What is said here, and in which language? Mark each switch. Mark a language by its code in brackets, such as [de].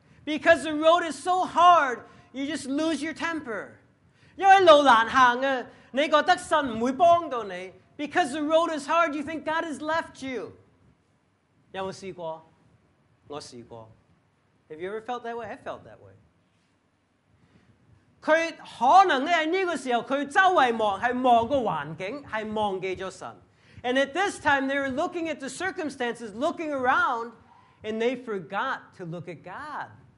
[en] Because the road is so hard, you just lose your temper. [zh] 因为路难行啊, 你觉得神不会帮到你, [en] because the road is hard, you think God has left you. [zh] 有没有试过? 我试过。 [en] Have you ever felt that way? I felt that way. [zh] 他可能在这个时候,他周围望,是望个环境,是忘记了神。 [en] And at this time, they were looking at the circumstances, looking around, and they forgot to look at God.